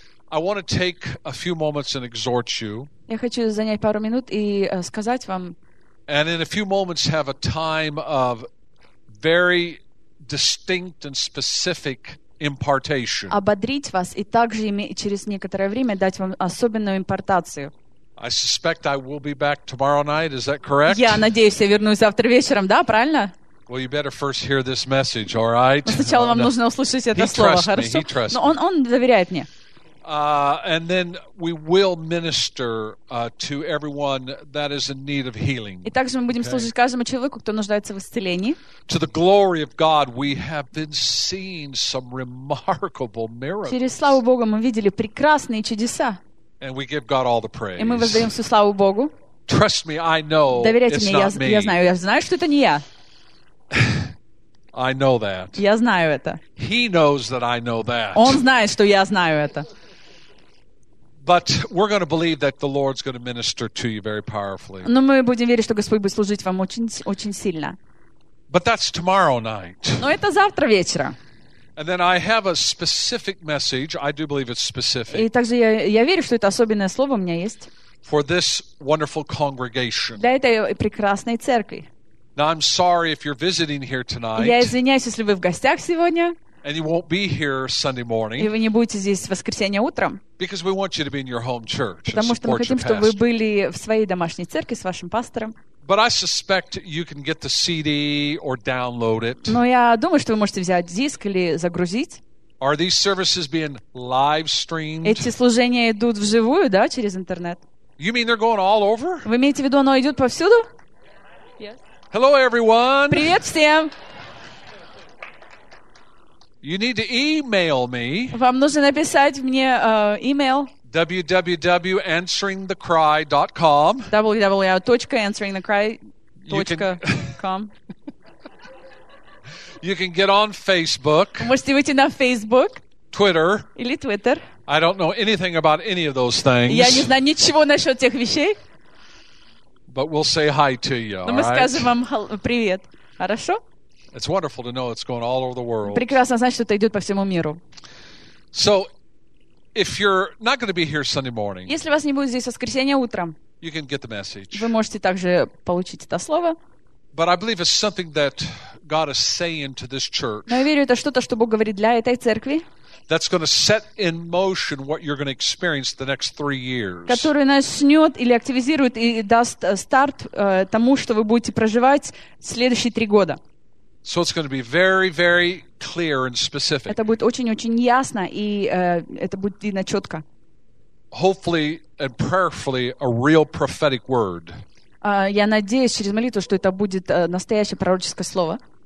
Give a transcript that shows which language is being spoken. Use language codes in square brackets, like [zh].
[en] I want to take a few moments and exhort you. [ru] Я хочу занять пару минут и сказать вам. [en] And in a few moments have a time of very distinct and specific impartation. [ru] Ободрить вас и также через некоторое время дать вам особенную импартацию. [en] I suspect I will be back tomorrow night. Is that correct? [ru] Я надеюсь, я вернусь завтра вечером, да, правильно? [en] Well, you better first hear this message, all right? [ru] Сначала вам нужно услышать это слово, хорошо? [en] He trusts me. [ru] Но он доверяет мне. [en] And then we will minister to everyone that is in need of healing. [ru] И также мы будем служить каждому человеку, кто нуждается в исцелении. [en] To the glory of God, we have been seeing some remarkable miracles. [ru] Через славу Богу мы видели прекрасные чудеса. [en] And we give God all the praise. [ru] И мы воздаем всю славу Богу. [en] Trust me, I know. [ru] Доверяйте мне, я знаю, что это не я. [en] I know that. [ru] Я знаю это. [en] He knows that I know that. [ru] Он знает, что я знаю это. [en] But we're going to believe that the Lord's going to minister to you very powerfully. [ru] Но мы будем верить, что Господь будет служить вам очень, очень сильно. [en] But that's tomorrow night. [ru] Но это завтра вечером. [en] And then I have a specific message. I do believe it's specific. [ru] И также я верю, что это особенное слово у меня есть. [en] For this wonderful congregation. [ru] Для этой прекрасной церкви. [en] Now I'm sorry if you're visiting here tonight. [ru] Я извиняюсь, если вы в гостях сегодня. [en] And you won't be here Sunday morning. [ru] И вы не будете здесь в воскресенье утром. [en] Because we want you to be in your home church. [ru] Потому что мы хотим, чтобы вы были в своей домашней церкви с вашим пастором. [en] But I suspect you can get the CD or download it. [ru] Но я думаю, что вы можете взять диск или загрузить. [en] Are these services being live streamed? [ru] Эти служения идут вживую, да, через интернет? [en] You mean they're going all over? [ru] Вы имеете в виду, оно идет повсюду? [en] Hello, everyone. [ru] Привет всем. [en] You need to email me. [ru] Вам нужно написать мне email. [en] www.answeringthecry.com. [ru] www.answeringthecry.com. [en] You can get on Facebook. [ru] Можете выйти на Facebook. [en] Twitter. [ru] Или Twitter. [en] I don't know anything about any of those things. [ru] Я не знаю ничего насчет тех вещей. [en] But we'll say hi to you. [ru] Но мы скажем вам привет. Хорошо? [en] It's wonderful to know it's going all over the world. [ru] Прекрасно знать, что это идет по всему миру. [en] So, if you're not going to be here Sunday morning, [ru] если вас не будет здесь воскресенье утром, [en] you can get the message. [ru] Вы можете также получить это слово. [en] But I believe it's something that God is saying to this church. [ru] Но я верю, это что-то, что Бог говорит для этой церкви. [en] That's going to set in motion what you're going to experience the next 3 years. [ru] Который начнет или активизирует и даст старт тому, что вы будете проживать следующие 3 года. [en] So it's going to be very, very clear and specific. [ru] Это будет очень-очень ясно, и это будет видно четко. [en] Hopefully and prayerfully a real prophetic word. [ru] Я надеюсь через молитву, что это будет настоящее пророческое слово.